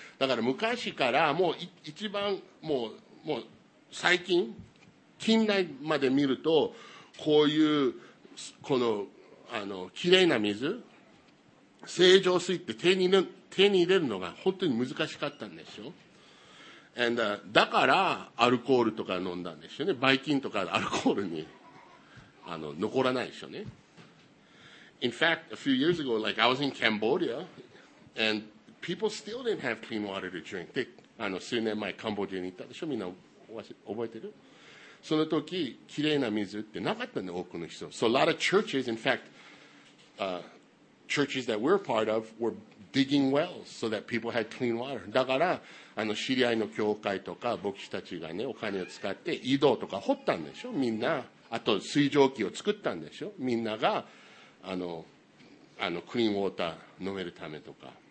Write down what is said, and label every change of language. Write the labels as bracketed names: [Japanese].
[Japanese] だから昔からもう一番もう最近、近代まで見ると、こういう、この、きれいな水、清浄水って手に入れるのが本当に難しかったんですよ。 And, だからアルコールとか飲んだんですよね。バイ菌とかアルコールに残らないでしょうね。 [English] In fact, a few years ago, like I was in Cambodia, and people still didn't have clean water to drink. [Japanese] で、数年前、カンボジアに行ったでしょ？みんな覚えてる？その時、きれいな水ってなかったね、多くの人。 [English] So a lot of churches, in fact, churches that we're part of were digging wells so that people had clean water. [Japanese] だから、知り合いの教会とか、牧師たちがね、お金を使って井戸とか掘ったんでしょ？みんな。あと、水蒸気を作ったんでしょ？みんなが、クリーンウォーター飲めるためとか。